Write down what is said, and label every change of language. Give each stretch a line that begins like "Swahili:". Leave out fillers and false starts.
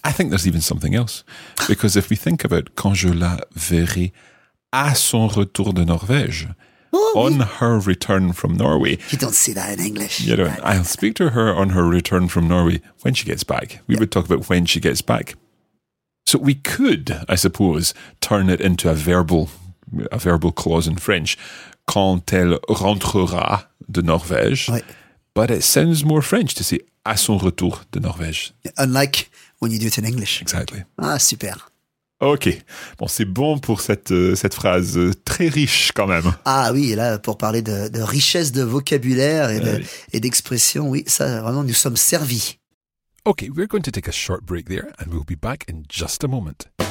English: I think there's even something else, because if we think about
French: quand je la verrai à son retour de Norvège,
English: on her return from Norway. You don't see that in English. You don't. Right. I'll speak to her on her return from Norway when she gets back. We would talk about when she gets back. So we could, I suppose, turn it into a verbal clause in French.
French: Quand elle rentrera de Norvège.
English: Right. But it sounds more French to say
French: à son retour de Norvège.
English: Unlike when you do it in English. Exactly. Ah, super. Ok.
French: Bon, c'est bon pour cette phrase très riche quand même. Ah oui, là, pour parler de richesse de vocabulaire et d'expression, oui, ça, vraiment, nous sommes servis.
English: Ok, we're going to take a short break there and we'll be back in just a moment.